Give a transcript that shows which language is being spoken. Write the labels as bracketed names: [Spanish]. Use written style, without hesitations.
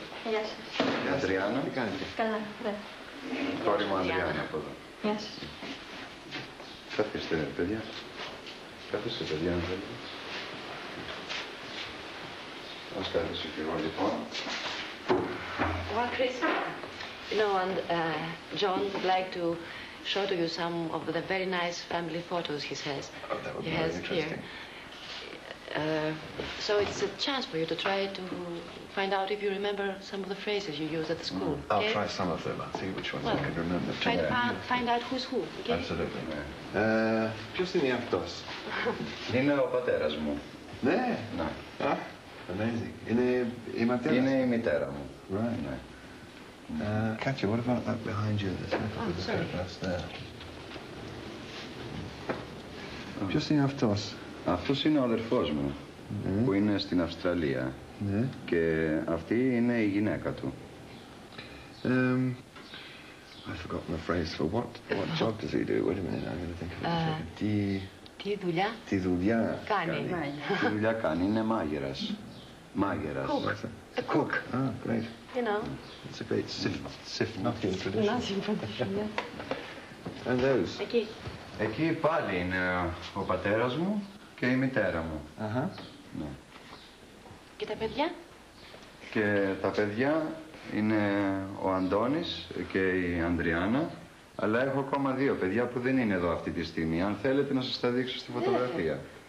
[Greek] Γεια σας. Η Αντριάννα. Τι κάνετε. Καλά, ρε. Κόρη μου, Αντριάννα, από εδώ. Γεια σας. Καθίστε, παιδιά. Καθίστε, παιδιά. Ας καθίσω και εγώ, λοιπόν. [English] Well, Chris. You know, and John would like to show to you some of the very nice family photos he has. Oh, that would be very interesting. Here. So it's a chance for you to try to find out if you remember some of the phrases you used at the school. Mm. I'll try some of them. I'll see which ones I can remember. Try to find out who's who. Okay? Absolutely. [Greek] Ποιος είναι αυτός? Είναι ο πατέρας μου. Ναι. Ναι. [English] Amazing. [Greek] Είναι η μητέρα. Είναι η μητέρα μου. [English] Right. [Greek] Ναι. [English] Katya, what about that behind you? That's sorry. [Greek] Ποιος είναι αυτός? Αυτός είναι ο αδερφός μου, που είναι στην Αυστραλία. Ναι. Και αυτή είναι η γυναίκα του. [English] I've forgotten the phrase for what. What job does he do? Wait a minute, I'm going to think of it. [Greek] Τι δουλειά. Τι δουλειά κάνει, είναι μάγειρας. Μάγειρας. [English] Cook. Ah, great. You know. It's a great sif nothing tradition. Nothing tradition, yeah. And those? [Greek] Εκεί πάλι είναι ο πατέρας μου και η μητέρα μου. Αχα. Ναι. Και τα παιδιά? Και τα παιδιά είναι ο Αντώνης και η Αντριάννα. Αλλά έχω ακόμα δύο παιδιά που δεν είναι εδώ αυτή τη στιγμή. Αν θέλετε να σας τα δείξω στη φωτογραφία.